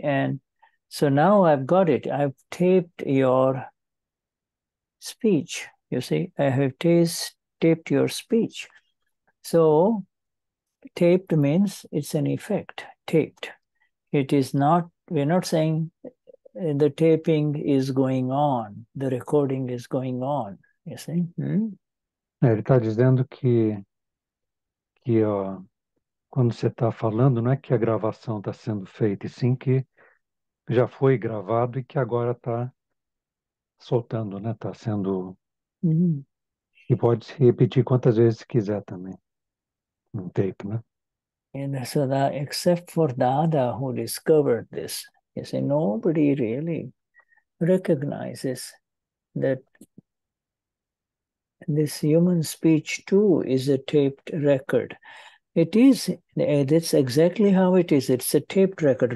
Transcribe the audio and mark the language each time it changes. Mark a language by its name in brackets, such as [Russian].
[English] And so now I've got it. I've taped your speech, you see. I have taped your speech. So taped means it's an effect, taped. It is not, we're not saying the taping is going on, the recording is going on, you see. [Portuguese] Ele está dizendo que ó, quando você está falando, não é que a gravação está sendo feita, e sim que já foi gravado e que agora está soltando, né? Está sendo. E pode se repetir quantas vezes quiser também. No tape, né? [English] And so that, except for Dada, who discovered this, you see, nobody really recognizes that this human speech too is a taped record. It is, that's exactly how it is. It's a taped record.